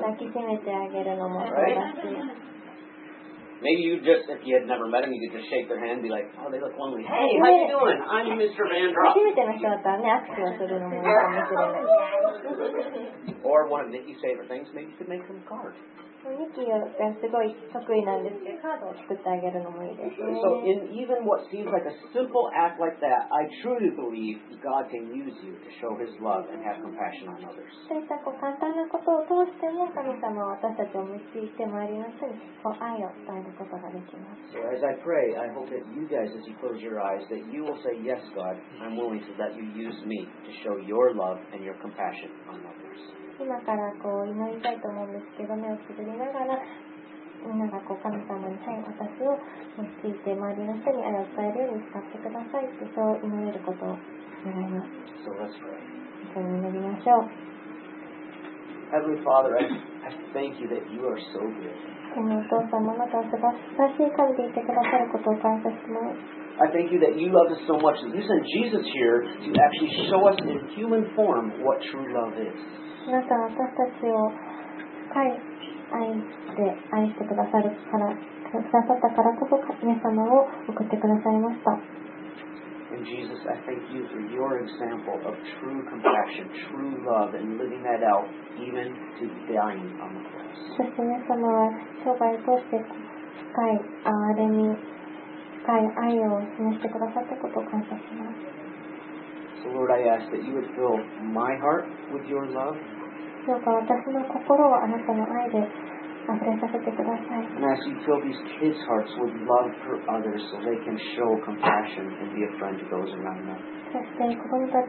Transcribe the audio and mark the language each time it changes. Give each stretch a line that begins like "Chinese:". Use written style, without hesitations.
Japanese: 抱きしめてあげるのも素晴らしい。
English: Maybe you just, if you had never met him, you could just shake their hand and be like, oh, they look lonely. Hey, how you doing? I'm Mr. Vandross.
Japanese: 初めての人だったらね、握手をするのもいいかもしれない。
English: Or one of Nikki's favorite things, maybe you could make them a card.
Japanese: Nikki がすごい得意なんですけど、カードを作ってあげるのもいいですね。
English: So in even what seems like a simple act like that, I truly believe God can use you to show his love and have compassion on others.
Japanese: そういった簡単なことを通しても、神様は私たちを導いて周りの人に愛を伝えることができます。
English: So as I pray, I hope that you guys, as you close your eyes, that you will say, yes, God, I'm willing to let you use me to show your love and your compassion on others.
Japanese: 今からこう祈りたいと思うんですけど、目をつぶりながら、みんながこう神様に、はい、私を用いて周りの人に愛を伝えるように使ってくださいって、そう祈れることを願います。
English: So、
Japanese: 一緒に祈りましょう。
English: Heavenly Father, I thank you that you are so good.
Japanese: お父様、あなたは素晴らしい神でいてくださることを感謝します。
English: I thank you that you love us so much that you sent Jesus here to actually show us in human form what true love is.
Japanese: あなたは私たちを深い愛で愛してくださるからくださったからこそ神様を送ってくださいました。
English: And Jesus, I thank you for your example of true compassion, true love, and living that out even to dying on the cross.
Japanese: そして皆様は生涯を通して深い憐れみ、深い愛を示してくださったことを感謝します。
English: So Lord, I ask that you would fill my heart with your love. And ask you to fill these kids' hearts with love for others so they can show compassion and be a friend to those around them.